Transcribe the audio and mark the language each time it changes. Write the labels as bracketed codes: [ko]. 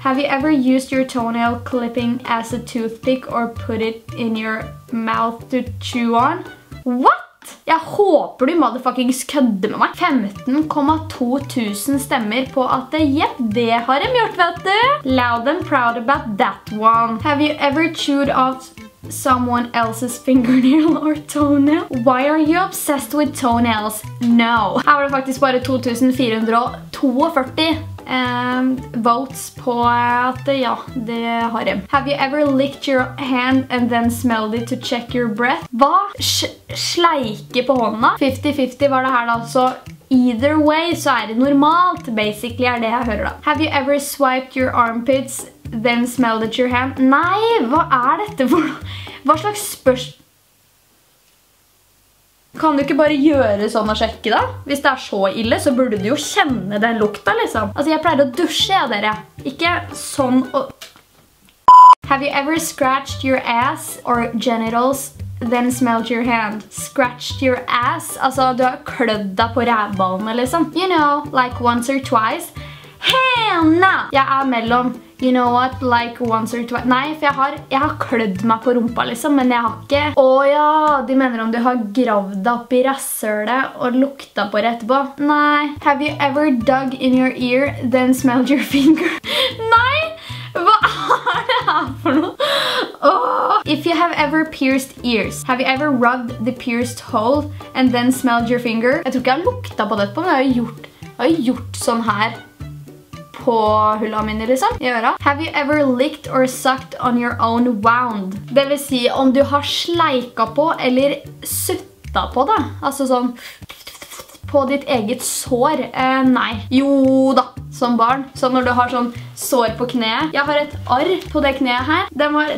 [en] Have you ever used your toenail clipping as a toothpick or put it in your mouth to chew on? What? [no] Jeg håper du motherfucking skødde med meg. 15,200 stemmer på at det, yep, det har de gjort, vet du. [en] Loud and proud about that one. Have you ever chewed off someone else's fingernail or toenail? Why are you obsessed with toenails? No. [no] Her var det faktisk bare 2442. Votes på at ja, det har jeg. [en] Have you ever licked your hand and then smelled it to check your breath? Hva? [no] Sleike på hånda? 50-50 var det her da, så either way så er det normalt, basically er det jeg hører da. [en] Have you ever swiped your armpits, then smelled it your hand? [no] Nei, hva er dette for noe? Hva slags spørsmål? Kan du ikke bare gjøre sånn og sjekke da? Hvis det er så ille, så burde du jo kjenne den lukten, liksom. Altså, jeg pleier å dusje, ja, dere. Ikke sånn og... [en] Have you ever scratched your ass or genitals, then smelled your hand? Scratched your ass? [no] Altså, du har klødd deg på rævballene, liksom. [en] You know, like once or twice? Hell nah! [no] Jeg er mellom... [en] You know what, like once or twice. [no] Nei, for jeg har klødd meg på rumpa liksom, men jeg har ikke. Åja, de mener om du har gravd opp i rassølet og lukta på rett på. Nei. [en] Have you ever dug in your ear, then smelled your finger? Nei! [no] Hva er det her for noe? [en] If you have ever pierced ears, have you ever rubbed the pierced hole and then smelled your finger? [no] Jeg tror ikke jeg har lukta på dette på, men jeg har gjort sånn her. På hullene mine, liksom, i øra. [en] Have you ever licked or sucked on your own wound? [no] Det vil si om du har sleiket på eller suttet på, da. Altså sånn, på ditt eget sår. Nei. Jo da, som barn. Sånn når du har sånn sår på kneet. Jeg har et arr på det kneet her.